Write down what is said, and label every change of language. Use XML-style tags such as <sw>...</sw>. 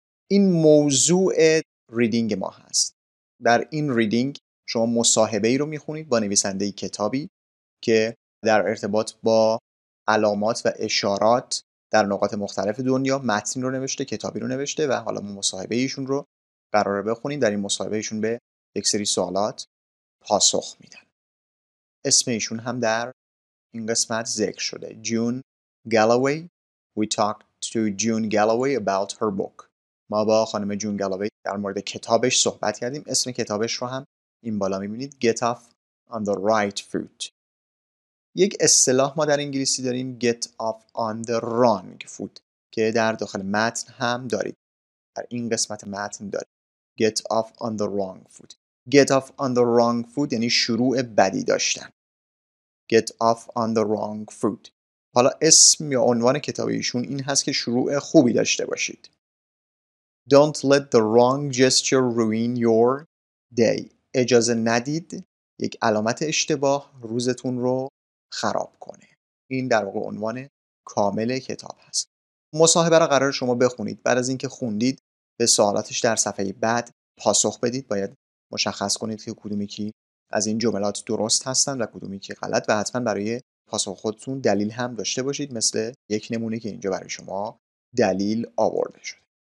<fa>این موضوع ریدینگ ما هست. در این ریدینگ شما مصاحبه‌ای رو میخونید با نویسنده کتابی که در ارتباط با علامات و اشارات در نقاط مختلف دنیا متن رو نوشته، کتابی رو نوشته و حالا ما مصاحبه ایشون رو قراره بخونیم. در این مصاحبه ایشون به یک سری سوالات پاسخ میدن. اسم ایشون هم در این قسمت ذکر شده. جون گالاوی.</fa> <en>We talked to June Galloway about her book.</en> <fa>ما با خانم جون گالاوی در مورد کتابش صحبت کردیم. اسم کتابش رو هم این بالا میبینید.</fa> <en>Get off on the right foot.</en> <fa>یک اصطلاح ما در انگلیسی داریم.</fa> <en>Get off on the wrong foot.</en> <fa>که در داخل متن هم دارید. در این قسمت متن دارید.</fa> <en>Get off on the wrong foot. Get off on the wrong foot</en> <fa>یعنی شروع بدی داشتن.</fa> <en>Get off on the wrong foot.</en> <fa>حالا اسم یا عنوان کتابیشون این هست که شروع خوبی داشته باشید.</fa> <en>Don't let the wrong gesture ruin your day.</en> <fa>اجازه ندید یک علامت اشتباه روزتون رو خراب کنه. این در واقع عنوان کامل کتاب هست. مصاحبه را قرار شما بخونید. بعد از اینکه خوندید به سوالاتش در صفحه بعد پاسخ بدید. باید مشخص کنید که کدومی که از این جملات درست هستن و کدومی که غلط و حتما برای پاسخ خودتون دلیل هم داشته باشید، مثل یک نمونه که اینجا برای شما دلیل آورده شده.</fa>